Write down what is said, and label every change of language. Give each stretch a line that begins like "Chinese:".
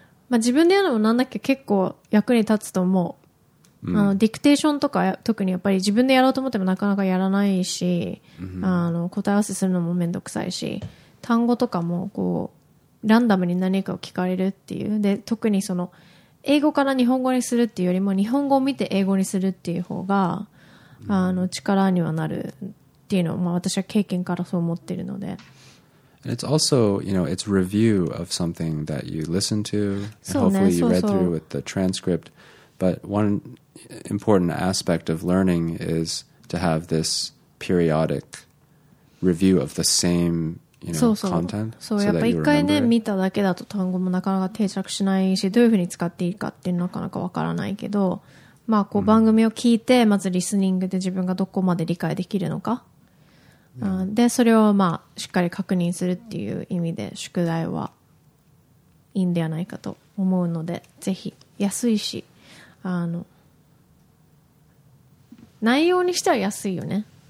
Japanese: まあ、自分でやるのもなんだっけ結構役に立つと思う、あのディクテーションとか特にやっぱり自分でやろうと思ってもなかなかやらないし、あの答え合わせするのもめんどくさいし単語とかもこうランダムに何かを聞かれるっていうで特にその英語から日本語にするっていうよりも日本語を見て英語にするっていう方が、あの力にはなるっていうのを、まあ、私は経験からそう思っているので。
English: And it's also, you know, it's review of something that you listen to, and hopefully you read through with the transcript. But one important aspect of learning is to have this periodic review of the same. You know, content,
Japanese: そうやっぱ一回ね見ただけだと単語もなかなか定着しないしどういうふうに使っていいかっていうのはなかなかわからないけどまあこう番組を聞いてまずリスニングで自分がどこまで理解できるのか、でそれをまあしっかり確認するっていう意味で宿題はいいんではないかと思うのでぜひ安いしあの内容にしては安いよね、